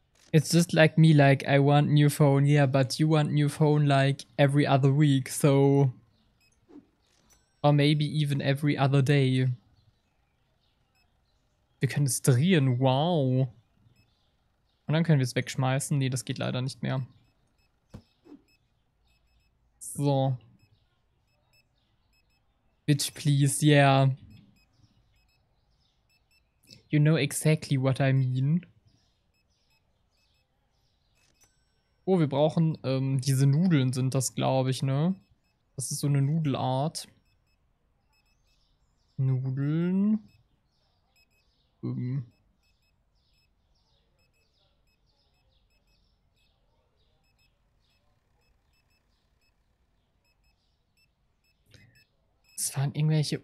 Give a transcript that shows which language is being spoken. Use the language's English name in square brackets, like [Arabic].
[English] It's just like me, like I want new phone, yeah, but you want new phone like every other week, so. Or maybe even every other day. [German] Wir können es drehen, wow. Und dann können wir es wegschmeißen. Nee, das geht leider nicht mehr. So. [English] Bitch, please, yeah. You know exactly what I mean. [German] Oh, wir brauchen diese Nudeln sind das, glaube ich, ne? Das ist so eine Nudelart. Nudeln. Es waren irgendwelche.